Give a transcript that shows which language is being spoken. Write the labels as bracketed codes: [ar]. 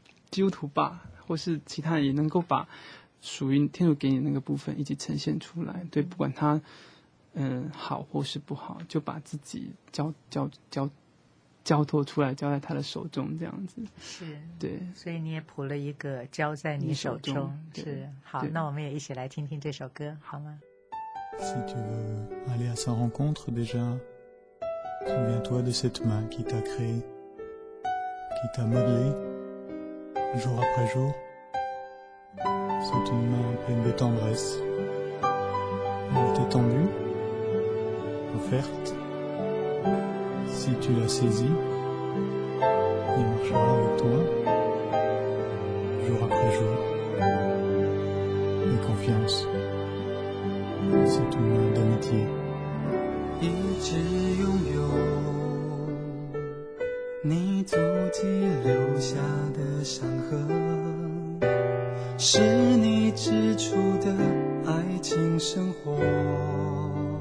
[zh] 基督徒吧，或是其他人也能够把属于天主给你的那个部分一起呈现出来。对，不管他。好或是不好，就把自己交托出来，交在他的手中，这样子。是，对，所以你也谱了一个交在你手中。是，好，那我们也一起来听听这首歌好吗？ [fr] Si tu veux aller à sa rencontre déjà, souviens-toi de cette main qui t'a créé, qui t'a modelé, jour après jour, c'est une main pleine de tendresse, elle t'est tendue. Offerte, si tu la saisis, il marchera avec toi, jour après jour, et confiance. [zh] 所吞没的谜题，一直拥有你足迹留下的伤痕，是你指出的爱情生活。